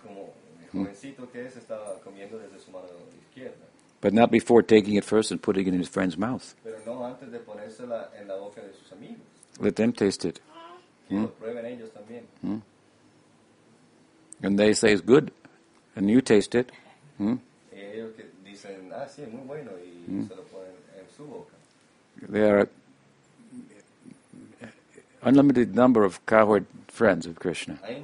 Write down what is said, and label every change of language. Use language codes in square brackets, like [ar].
[es] Como jovencito que es, está comiendo desde su mano izquierda. [en] But not before taking it first and putting it in his friend's mouth. [es] Pero no antes de ponérsela en la boca de sus amigos. [en] Let them taste it. And they say it's good, and you taste it. There are unlimited number of cowherd friends of Krishna.